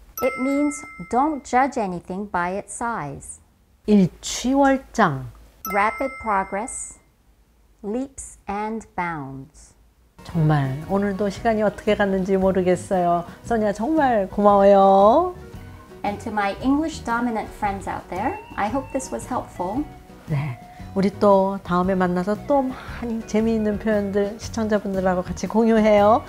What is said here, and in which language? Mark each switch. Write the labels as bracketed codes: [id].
[en] It means don't judge anything by its size. [ko] 일취월장. [en] Rapid progress, leaps and bounds. [ko] 정말 오늘도 시간이 어떻게 갔는지 모르겠어요. 소냐 정말 고마워요. [en] And to my English dominant friends out there, I hope this was helpful. [ko] 네, 우리 또 다음에 만나서 또 많이 재미있는 표현들 시청자분들하고 같이 공유해요.